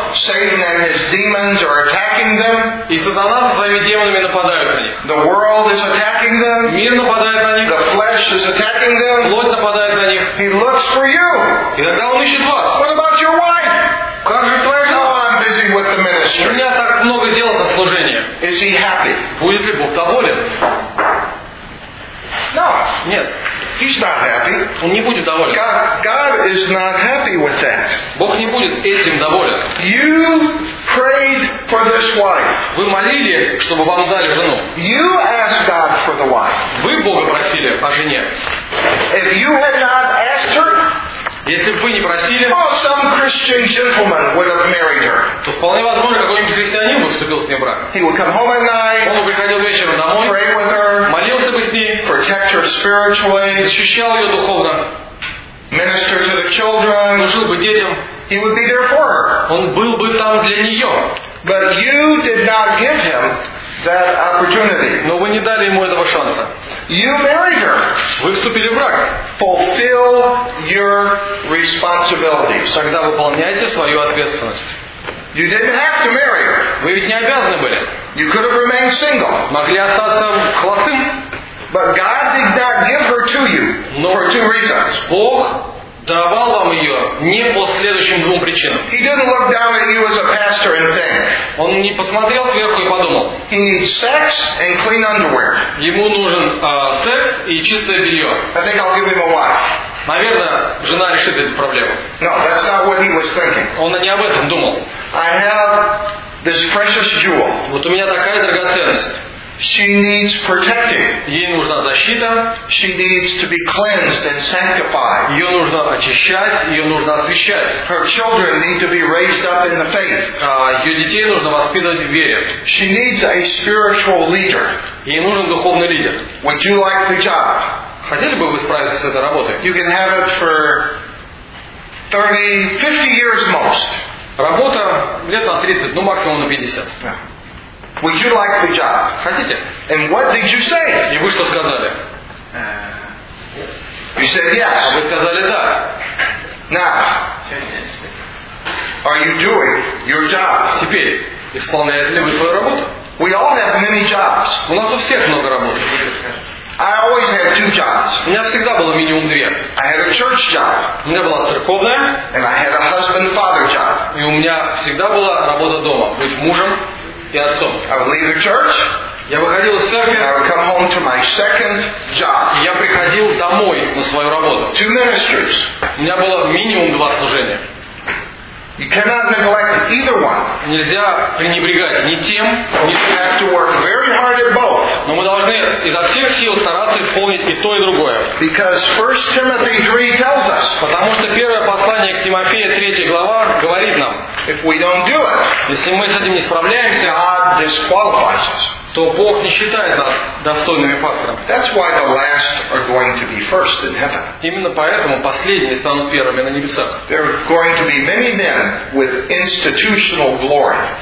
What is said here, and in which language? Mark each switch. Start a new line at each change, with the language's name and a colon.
English: Satan and his demons are attacking them.
Russian: И сатана со своими демонами нападают на них.
English: The world is attacking them.
Russian: Мир нападает на них.
English: The flesh is attacking them.
Russian: Плоть нападает на них.
English: He looks for you.
Russian: И тогда он ищет вас.
English: What about your wife?
Russian: Как же твоя жена?
English: Oh, I'm busy with the ministry.
Russian: У меня так много дел за служение.
English: Is he happy?
Russian: Будет ли Бог доволен?
English: No.
Russian: Нет.
English: He's not happy.
Russian: Он не будет доволен.
English: God is not happy with that.
Russian: Бог не будет этим доволен.
English: You prayed for this wife.
Russian: Вы молили, чтобы вам дали жену.
English: You asked God for the wife.
Russian: Вы Бога просили о жене.
English: If you had not asked her,
Russian: если бы вы не просили,
English: oh, some Christian gentleman would have married her.
Russian: То вполне возможно, какой-нибудь христианин бы вступил с ней в брак.
English: He would come home at night.
Russian: Он бы приходил вечером домой.
English: Pray with her.
Russian: Молился бы с ней.
English: Protect her spiritually.
Russian: Защищал ее духовно.
English: Minister to the children.
Russian: Служил бы детям.
English: He would be there for her.
Russian: Он был бы там для нее.
English: But you did not give him that opportunity.
Russian: Но вы не дали ему этого шанса.
English: You married her.
Russian: Вы вступили в брак.
English: Fulfill your responsibilities.
Russian: Тогда выполняйте свою ответственность.
English: You didn't have to marry her.
Russian: Вы ведь не обязаны были.
English: You could have remained single.
Russian: Могли остаться холостым.
English: But God did not give her to you.
Russian: Но
English: for two reasons.
Russian: Бог давал вам ее не по следующим двум причинам.
English: He didn't look down at you as a pastor and think.
Russian: Он не посмотрел сверху и подумал.
English: He needs sex and clean underwear.
Russian: Ему нужен секс и чистое белье.
English: I think I'll give him a wife.
Russian: Наверное, жена решит эту проблему.
English: No, that's not what he was thinking.
Russian: Он не об этом думал.
English: I have this precious jewel.
Russian: Вот у меня такая драгоценность.
English: She needs protecting.
Russian: Ей нужна защита.
English: She needs to be cleansed and sanctified.
Russian: Ее нужно очищать, ее нужно освящать.
English: Her children need to be raised up in the faith.
Russian: Ее детей нужно воспитывать в вере.
English: She needs a spiritual leader.
Russian: Ей нужен духовный лидер.
English: Would you like the job?
Russian: Хотели бы вы справиться с этой работой?
English: You can have it for 30, 50 years most.
Russian: Работа лет на 30, ну максимум на 50.
English: Would you like the job?
Russian: Хотите?
English: And what did you say?
Russian: И вы что сказали?
English: You said yes.
Russian: А вы сказали да.
English: Now, are you doing your job?
Russian: Теперь, исполняете ли вы свою работу?
English: We all have many jobs.
Russian: У нас у всех много работы.
English: I always had two jobs.
Russian: У меня всегда было минимум две.
English: I had a church job.
Russian: У меня была церковная.
English: And I had a husband-father job.
Russian: И у меня всегда была работа дома, быть мужем.
English: I would leave the church.
Russian: Я выходил из церкви.
English: I would come home to my second job.
Russian: Я приходил домой на свою работу.
English: Two ministries.
Russian: У меня было минимум два служения.
English: You cannot neglect either one.
Russian: Нельзя пренебрегать ни тем, ни тем.
English: We have to work very hard at both.
Russian: Но мы должны изо всех сил стараться исполнить и то, и другое.
English: Because 1 Timothy 3 tells us.
Russian: Потому что первое послание к Тимофею, 3 глава, говорит нам.
English: If we don't do it,
Russian: если мы с этим не справляемся,
English: God disqualifies us.
Russian: То Бог не считает нас достойными пастором.
English: That's why the last are going to be first in heaven.
Russian: Именно поэтому последние станут первыми на небесах.
English: There are going to be many men with institutional glory.